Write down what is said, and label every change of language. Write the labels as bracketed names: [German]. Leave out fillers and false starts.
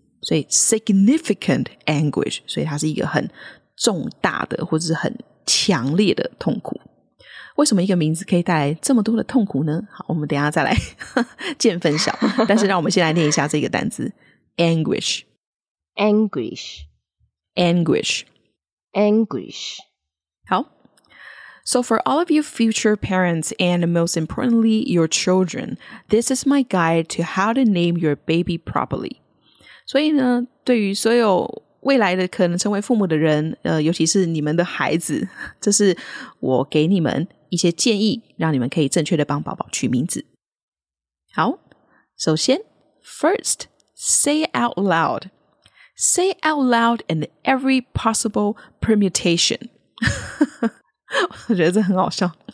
[Chinese] 所以 significant anguish， 所以它是一个很重大的或者是很强烈的痛苦。为什么一个名字可以带来这么多的痛苦呢？好，我们等一下再来见分晓。但是让我们先来念一下这个单字 anguish [English] anguish anguish anguish。好， So for all of you future parents and most importantly your children, this is my guide to how to name your baby properly. [Chinese] 所以呢，对于所有未来的可能成为父母的人，尤其是你们的孩子，这是我给你们一些建议，让你们可以正确的帮宝宝取名字。好， [English] 首先 ，first say out loud， say out loud in every possible permutation 。 [Chinese] 我觉得这很好笑。